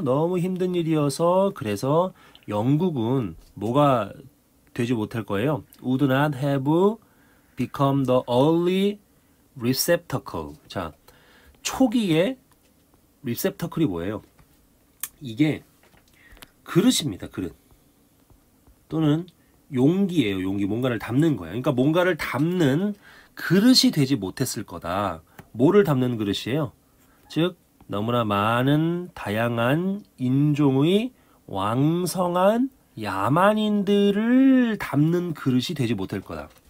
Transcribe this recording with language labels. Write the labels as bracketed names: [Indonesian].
[Korean] 너무 힘든 일이어서 그래서 영국은 뭐가 되지 못할 거예요. [English] Would not have become the early receptacle. [Korean] 자, 초기에 리셉터클이 뭐예요? 이게 그릇입니다, 그릇. 또는 용기예요, 용기. 뭔가를 담는 거야. 그러니까 뭔가를 담는 그릇이 되지 못했을 거다. 뭐를 담는 그릇이에요? 즉, 너무나 많은 다양한 인종의 왕성한 야만인들을 담는 그릇이 되지 못할 거다.